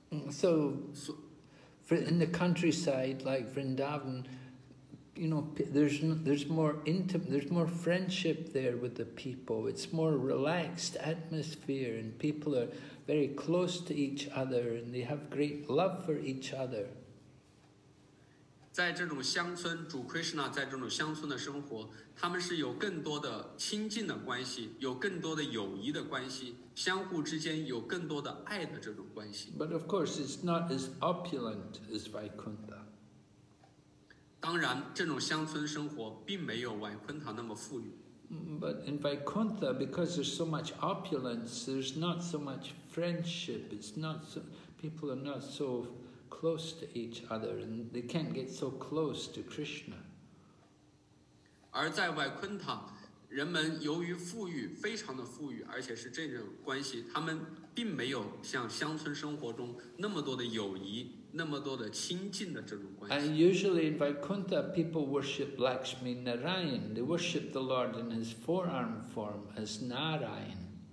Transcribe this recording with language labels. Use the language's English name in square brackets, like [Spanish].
[English] So, in the countryside, like Vrindavan,You know, there's more friendship there with the people. It's more relaxed atmosphere, and people are very close to each other, and they have great love for each other. [Chinese] 在这种乡村，主 Krishna 在这种乡村的生活，他们是有更多的亲近的关系，有更多的友谊的关系，相互之间有更多的爱的这种关系。 [English] But of course, it's not as opulent as Vaikuntha. [Chinese] 当然，这种乡村生活并没有Vaikuntha那么富裕。 [English] But in Vaikuntha, because there's so much opulence, there's not so much friendship. People are not so close to each other, and they can't get so close to Krishna. [Chinese] 而在 Vaikuntha, 人们由于富裕，非常的富裕，而且是这种关系，他们并没有像乡村生活中那么多的友谊，那么多的亲近的这种关系。 [English] And usually in Vaikuntha, people worship Lakshmi Narayan. They worship the Lord in his forearm form as Narayan.